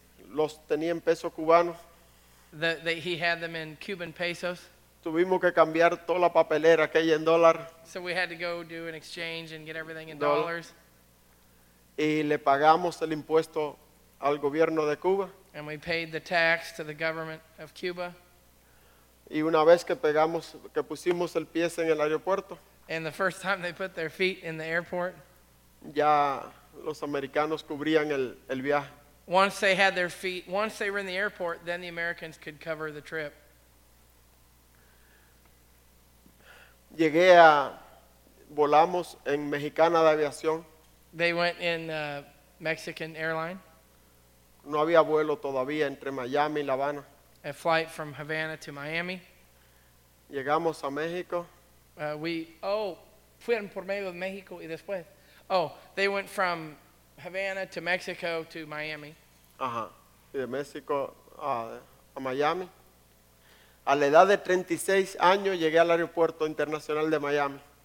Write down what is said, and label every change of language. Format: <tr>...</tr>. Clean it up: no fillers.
<es>Los tenía en pesos cubanos.</es> <en>He had them in Cuban pesos.</en> <es>Tuvimos que cambiar toda la papelera aquella en dólar.</es> <en>So we had to go do an exchange and get everything in dollars.</en> <es>Y le pagamos el impuesto al gobierno de Cuba.</es> <en>And we paid the tax to the government of Cuba.</en> <es>Y una vez que pusimos el pie en el aeropuerto.</es> <en>And the first time they put their feet in the airport.</en> <es>Ya los americanos cubrían el viaje.</es> <en>Once they were in the airport, then the Americans could cover the trip.</en> <es>Llegué a volamos en Mexicana de Aviación.</es> <en>They went in Mexican airline.</en> <es>No había vuelo todavía entre Miami y La Habana.</es> <en>A flight from Havana to Miami.</en> <es>Llegamos a México. Fueron por medio de México y después.</es> <en>Oh, they went from Havana to Mexico to Miami.</en> <es>Ajá, y de México a Miami. A la edad de 36 años llegué al aeropuerto internacional de Miami.</es>